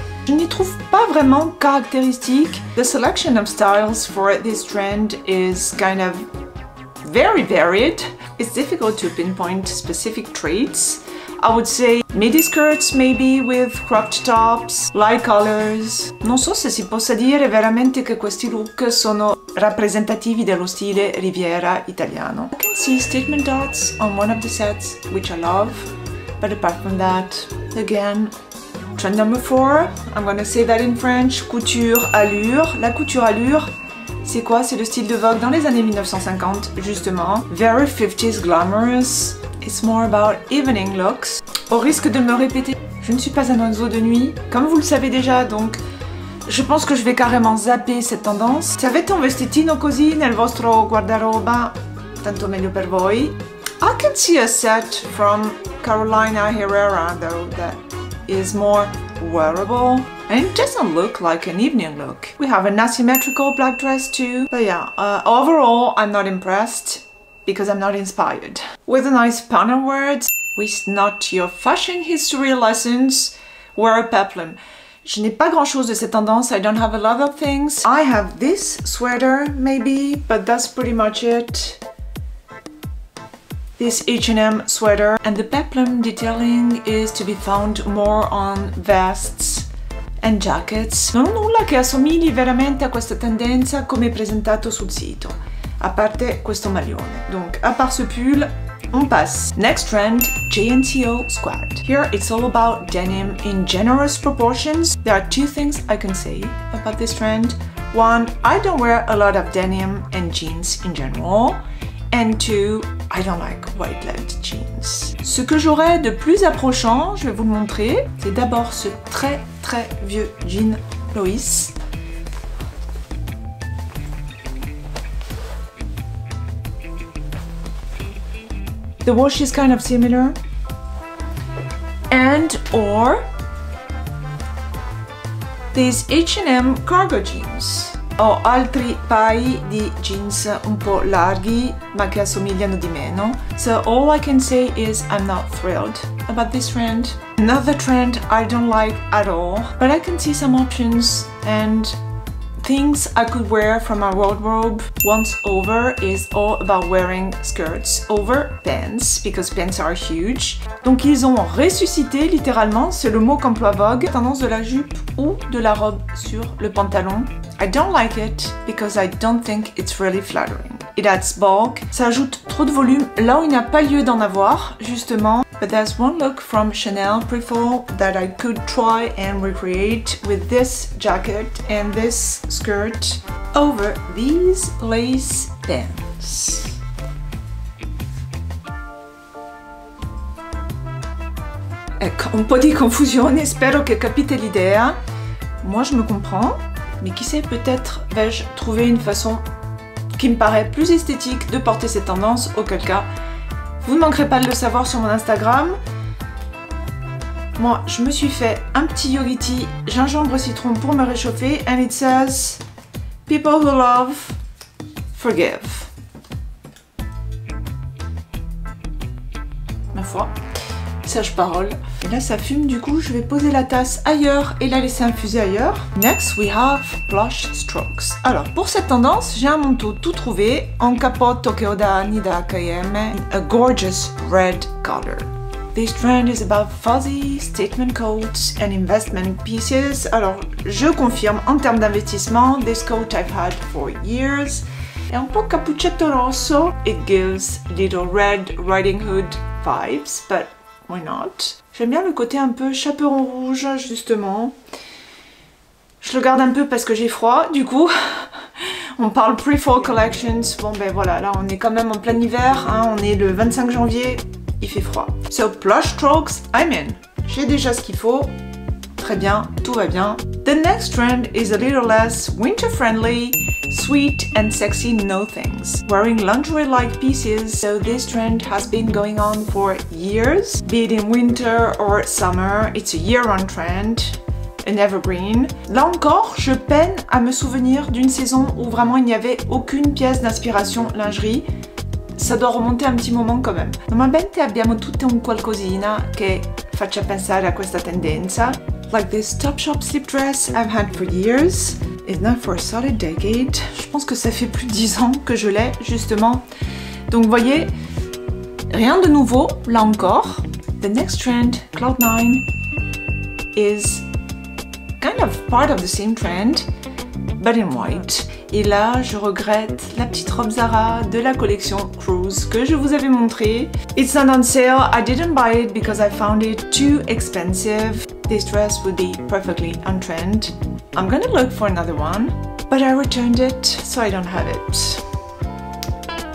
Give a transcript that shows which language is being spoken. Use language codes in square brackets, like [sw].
[fr] Je n'y trouve pas vraiment caractéristique. [en] The selection of styles for this trend is kind of very varied. It's difficult to pinpoint specific traits. I would say midi skirts maybe with cropped tops, light colors. [it] Non so se si possa dire veramente che questi look sono rappresentativi dello stile Riviera italiano. [en] I can see statement dots on one of the sets, which I love. But apart from that, again, trend number four, I'm gonna say that in French, couture allure. [fr] La couture allure, c'est quoi? C'est le style de Vogue dans les années 1950, justement. [en] Very 50s glamorous. It's more about evening looks. [fr] Au risque de me répéter, je ne suis pas un oiseau de nuit, comme vous le savez déjà, donc Je pense que je vais carrément zapper cette tendance. [it] Se avete un vestitino così nel vostro guardaroba, tanto meglio per voi. [en] I can see a set from Carolina Herrera though that is more wearable. And it doesn't look like an evening look. We have an asymmetrical black dress too. But yeah, overall I'm not impressed because I'm not inspired. With a nice panel words, with not your fashion history lessons, wear a peplum. [fr] Je n'ai pas grand chose de cette tendance, [en] I don't have a lot of things. I have this sweater maybe, but that's pretty much it. This H&M sweater. And the peplum detailing is to be found more on vests and jackets. [it] Non ho nulla che assomigli veramente a questa tendenza come presentato sul sito, a parte questo maglione. [fr] Donc, a part ce pull, on passe. [en] Next trend, [fr] JNTO squat. [en] Here it's all about denim in generous proportions. There are two things I can say about this trend. One, I don't wear a lot of denim and jeans in general. And two, I don't like white leg jeans. [fr] Ce que j'aurais de plus approchant, je vais vous le montrer, c'est d'abord ce très très vieux jean Lois. [en] The wash is kind of similar. And or these H&M cargo jeans. [it] Ho altri paio di jeans un po' larghi, ma che assomigliano di meno. [en] So all I can say is I'm not thrilled about this trend. Another trend I don't like at all, but I can see some options and things I could wear from my wardrobe. Once over is all about wearing skirts over pants, because pants are huge. [fr] Donc ils ont ressuscité, littéralement, c'est le mot qu'emploie Vogue, tendance de la jupe ou de la robe sur le pantalon. [en] I don't like it because I don't think it's really flattering. It adds bulk. [fr] Ça ajoute trop de volume là où il n'y a pas lieu d'en avoir, justement. [en] But there's one look from Chanel Prefall that I could try and recreate with this jacket and this skirt over these lace pants. [it] Ecco, un po' di confusione, spero che capite l'idea. [fr] Moi je me comprends. Mais qui sait, peut-être vais-je trouver une façon qui me paraît plus esthétique de porter cette tendance, auquel cas, vous ne manquerez pas de le savoir sur mon Instagram. Moi, je me suis fait un petit yogurti gingembre citron pour me réchauffer, [en] and it says, people who love, forgive. [fr] Ma foi, sage parole. Et là ça fume, du coup je vais poser la tasse ailleurs et la laisser infuser ailleurs. [en] Next we have blush strokes. [fr] Alors pour cette tendance, j'ai un manteau tout trouvé en capote Tokyoda Nida Akayeme, [en] a gorgeous red color. This trend is about fuzzy statement coats and investment pieces. [fr] Alors je confirme, en termes d'investissement, [en] this coat I've had for years. [fr] Et un peu [it] cappuccetto rosso. [en] It gives little red riding hood vibes, but why not? [fr] J'aime bien le côté un peu chaperon rouge, justement. Je le garde un peu parce que j'ai froid, du coup. On parle pre-fall collections. Bon, ben voilà, là, on est quand même en plein hiver. Hein, on est le 25 janvier, il fait froid. [en] So, plush strokes, I'm in. [fr] J'ai déjà ce qu'il faut. Très bien, tout va bien. [en] The next trend is a little less winter-friendly. Sweet and sexy no things. Wearing lingerie-like pieces, so this trend has been going on for years. Be it in winter or summer, it's a year-round trend, an evergreen. [fr] Là encore, je peine à me souvenir d'une saison où vraiment il n'y avait aucune pièce d'inspiration lingerie. Ça doit remonter un petit moment quand même. [it] Normalmente abbiamo tutte un qualcosina che faccia pensare a questa tendenza. [en] Like this Topshop slip dress I've had for years. It's not for a solid decade. [fr] Je pense que ça fait plus de 10 ans que je l'ai, justement. Donc, voyez, rien de nouveau, là encore. [en] The next trend, Cloud 9, is kind of part of the same trend, but in white. [fr] Et là, je regrette la petite robe Zara de la collection Cruise que je vous avais montrée. [en] It's not on sale. I didn't buy it because I found it too expensive. This dress would be perfectly on trend. I'm gonna look for another one, but I returned it, so I don't have it.